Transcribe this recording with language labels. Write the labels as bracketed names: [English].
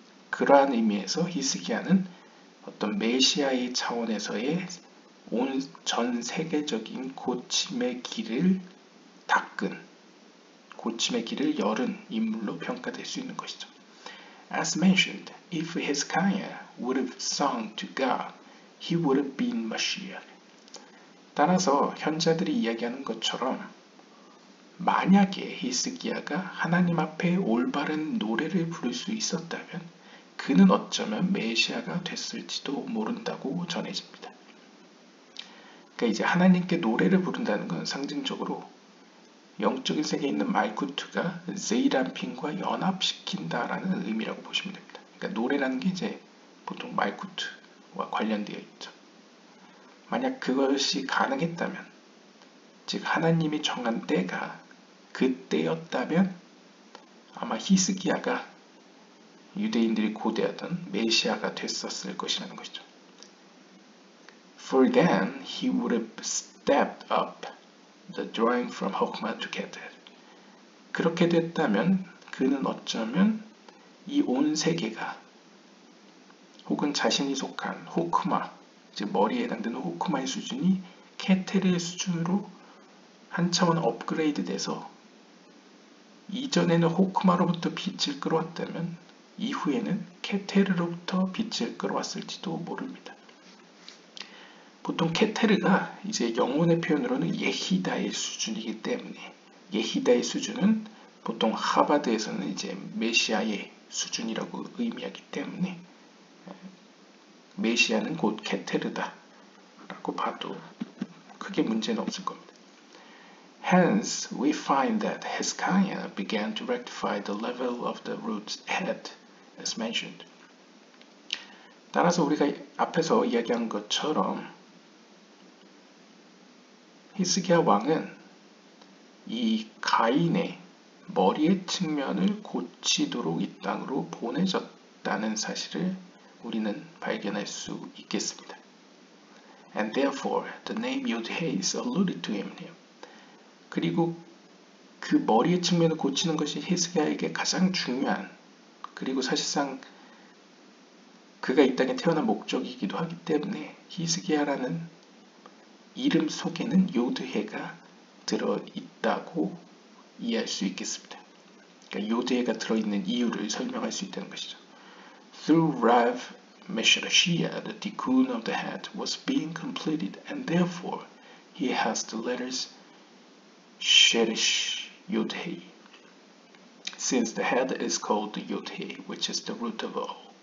[Korean] 그러한 의미에서 히스기야는 어떤 메시아의 차원에서의 전 세계적인 고침의 길을 닦은, 고침의 길을 열은 인물로 평가될 수 있는 것이죠. [English] As mentioned, if Hezekiah would have sung to God, he would have been Mashiach. [Korean] 따라서 현자들이 이야기하는 것처럼 만약에 히스기야가 하나님 앞에 올바른 노래를 부를 수 있었다면 그는 어쩌면 메시아가 됐을지도 모른다고 전해집니다. 그러니까 이제 하나님께 노래를 부른다는 건 상징적으로 영적인 세계에 있는 말쿠트가 제이람핀과 연합시킨다라는 의미라고 보시면 됩니다. 그러니까 노래라는 게 이제 보통 말쿠트와 관련되어 있죠. 만약 그것이 가능했다면, 즉 하나님이 정한 때가 그때였다면 아마 히스기야가 유대인들이 고대하던 메시아가 됐었을 것이라는 것이죠. [English] For then he would have stepped up the drawing from Hokma to Keter. [Korean] 그렇게 됐다면 그는 어쩌면 이 온 세계가 혹은 자신이 속한 호크마, 즉 머리에 해당되는 호크마의 수준이 케텔의 수준으로 한 차원 업그레이드 돼서 이전에는 호크마로부터 빛을 끌어왔다면 이후에는 케테르로부터 빛을 끌어왔을지도 모릅니다. 보통 케테르가 이제 영혼의 표현으로는 예히다의 수준이기 때문에 예히다의 수준은 보통 하바드에서는 이제 메시아의 수준이라고 의미하기 때문에 메시아는 곧 케테르다 라고 봐도 크게 문제는 없을 겁니다. [English] Hence, we find that Hezekiah began to rectify the level of the root's head, as mentioned. [Korean] 따라서 우리가 앞에서 이야기한 것처럼 히스기야 왕은 이 가인의 머리의 측면을 고치도록 이 땅으로 보내졌다는 사실을 우리는 발견할 수 있겠습니다. [English] And therefore, the name Yod-Heh is alluded to him. [Korean] 그리고 그 머리의 측면을 고치는 것이 히스기야에게 가장 중요한 그리고 사실상 그가 이 땅에 태어난 목적이기도 하기 때문에 히스기야라는 이름 속에는 요드해가 들어있다고 이해할 수 있겠습니다. 그러니까 요드해가 들어있는 이유를 설명할 수 있다는 것이죠. [English] Through Rav Meshareshiah, the tikkun of the head was being completed and therefore he has the letters Sheresh Yod-Heh, since the head is called Yod-Heh, which is the root of all.